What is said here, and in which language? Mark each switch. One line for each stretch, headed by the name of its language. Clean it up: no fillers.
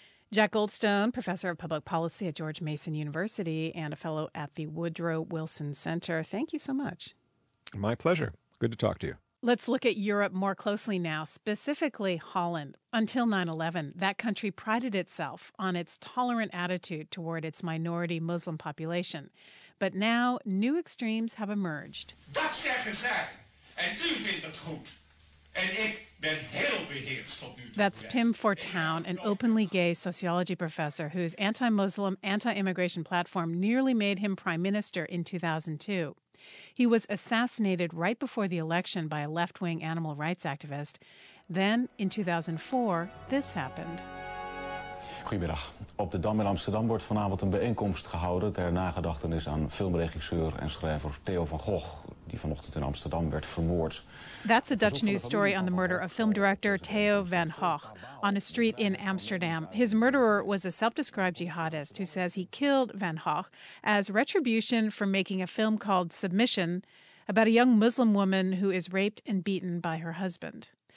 English: Jack Goldstone, professor of public policy at George Mason University and a fellow at the Woodrow Wilson Center, thank you so much. My pleasure. Good to talk to you. Let's look at Europe more closely now, specifically Holland. Until 9/11, that country prided itself on its tolerant attitude toward its minority Muslim population. But now, new extremes have emerged.
Dutch: Dat zeggen zij, en u vindt het goed. And it been hell behaves to you.
English: That's Pim Fortuyn, an openly gay sociology professor whose anti-Muslim, anti-immigration platform nearly made him prime minister in 2002. He was assassinated right before the election by a left-wing animal rights activist. Then, in 2004, this happened.
Dutch: Goedemiddag. Op de Dam in Amsterdam wordt vanavond een bijeenkomst gehouden ter nagedachtenis aan filmregisseur en schrijver Theo van Gogh, die vanochtend in Amsterdam werd vermoord.
English: That's a Dutch news story on the murder of film director Theo van Gogh on a street in Amsterdam. His murderer was a self-described jihadist who says he killed van Gogh as retribution for making a film called Submission about a young Muslim woman who is raped and beaten by her husband.